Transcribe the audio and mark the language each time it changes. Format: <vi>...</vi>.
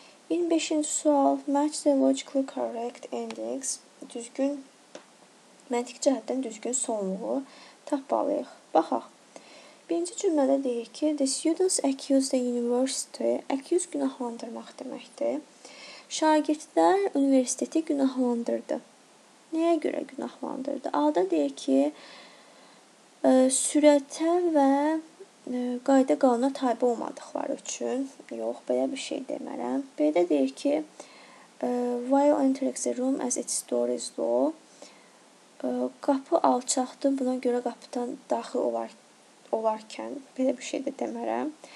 <az>25-ci sual,</az> <en>match the logically correct index,</en> <az>düzgün, məntiq cəhətdən düzgün sonluğu tapmalıyıq. Baxaq. Birinci cümlədə deyir ki,</az> <en>the students accused the university,</en> <az>accused günahlandırmaq deməkdir. Şagirdlər universiteti günahlandırdı. Nəyə görə günahlandırdı? A-da deyir ki, sürətə və qayda qanuna tabi olmadıqları üçün. Yox, belə bir şey demərəm. B-də deyir ki,</az> <en>while entering the room as its door is low,</en> <az>qapı alçaqdır, buna görə qapıdan daxil olarkən, belə bir şey də demərəm.</az>